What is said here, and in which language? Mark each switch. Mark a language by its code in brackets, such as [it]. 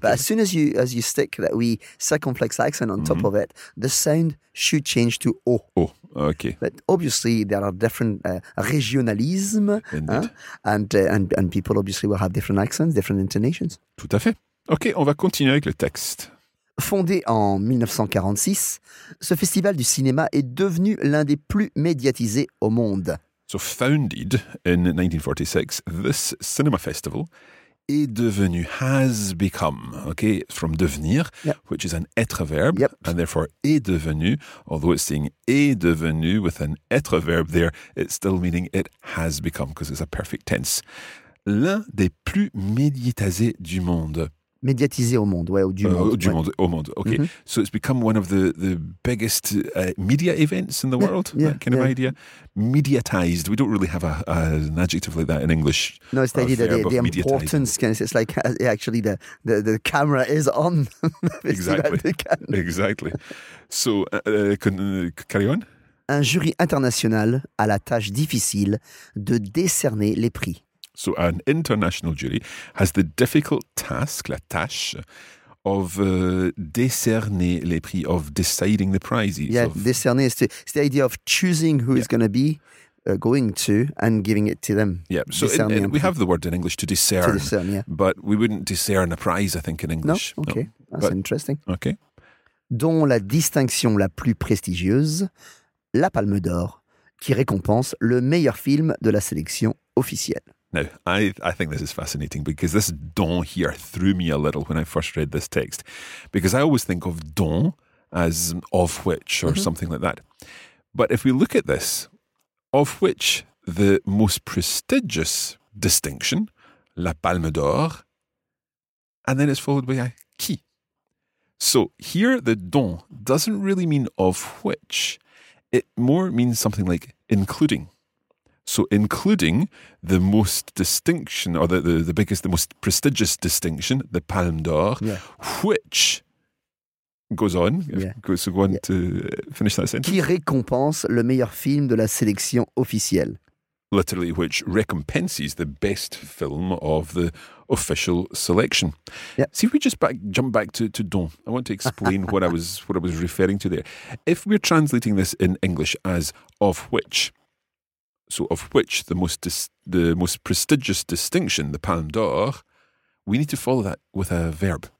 [en] But as soon as you stick that wee circumflex accent on top of it, the sound should change to O. O. Okay. But obviously there are different regionalism, and people obviously will have different accents, different intonations. [fr] Tout à fait. Okay, on va continuer avec le texte. Fondé en 1946, ce festival du cinéma est devenu l'un des plus médiatisés au monde. [en] So founded in 1946, this cinema festival [fr] est devenu, [en] has become, okay, from devenir, which is an être verb, and therefore est devenu, although it's saying est devenu with an être verb there, it's still meaning it has become, because it's a perfect tense. [fr] L'un des plus médiatisés du monde. Médiatisé au monde, ouais, ou du monde. Du monde, au monde, okay. Mm-hmm. [en] So it's become one of the biggest media events in the world, that kind of idea. Mediatized, we don't really have an adjective like that in English. No, it's the importance, it's like actually the camera is on. Exactly. So, carry on. [fr] Un jury international a la tâche difficile de décerner les prix. [en] So an international jury has the difficult task, [fr] la tâche, [en] of [fr] décerner les prix, [en] of deciding the prizes. Yeah, décerner is the idea of choosing who is going to be going to and giving it to them. Yeah, so we have the word in English to discern. To discern, yeah. But we wouldn't discern a prize, I think, in English. No, okay. No. That's interesting. Okay. [fr] Dont la distinction la plus prestigieuse, la Palme d'Or, qui récompense le meilleur film de la sélection officielle. [en] Now, I think this is fascinating because this don here threw me a little when I first read this text. Because I always think of don as of which or something like that. But if we look at this, of which the most prestigious distinction, la Palme d'Or, and then it's followed by a qui. So here the don doesn't really mean of which. It more means something like including. So including the most distinction or the biggest, the most prestigious distinction, the Palme d'Or, yeah, which goes on. Yeah. So go on, yeah, to finish that sentence. [fr] Qui récompense le meilleur film de la sélection officielle. [en] Literally, which recompenses the best film of the official selection. Yeah. See, if we just jump back to don, I want to explain what I was referring to there. If we're translating this in English as of which, so of which the most prestigious distinction, the Palme d'Or, we need to follow that with a verb.